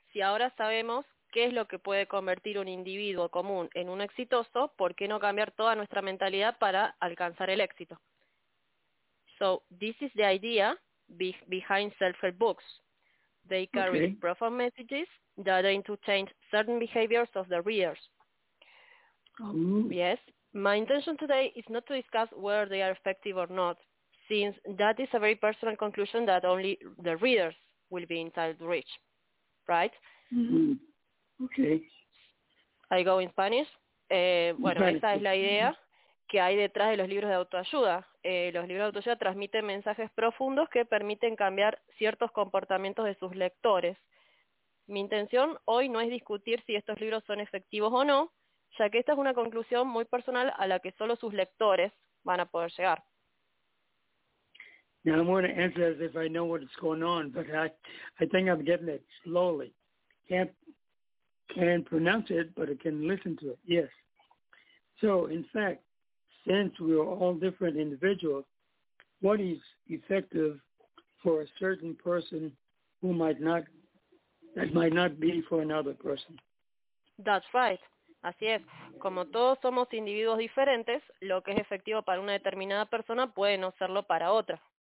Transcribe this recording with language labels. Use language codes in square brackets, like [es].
[es] Si ahora sabemos qué es lo que puede convertir un individuo común en un exitoso, ¿por qué no cambiar toda nuestra mentalidad para alcanzar el éxito? [en] So, this is the idea behind self-help books. They carry profound messages that aim to change certain behaviors of the readers. Yes, my intention today is not to discuss whether they are effective or not, since that is a very personal conclusion that only the readers will be entitled to reach, right? Mm-hmm. Okay. I go in Spanish. [es] Bueno, esa es la idea que hay detrás de los libros de autoayuda. Los libros de autoayuda transmiten mensajes profundos que permiten cambiar ciertos comportamientos de sus lectores. Mi intención hoy no es discutir si estos libros son efectivos o no, ya que esta es una conclusión muy personal a la que solo sus lectores van a poder llegar. [en] Now I'm going to answer as if I know what is going on, but I think I'm getting it slowly. Can't pronounce it, but I can listen to it. Yes. So in fact, since we are all different individuals, what is effective for a certain person who might not that might not be for another person. That's right. [es] Así es. Como todos somos individuos diferentes, lo que es efectivo para una determinada persona puede no serlo para otra.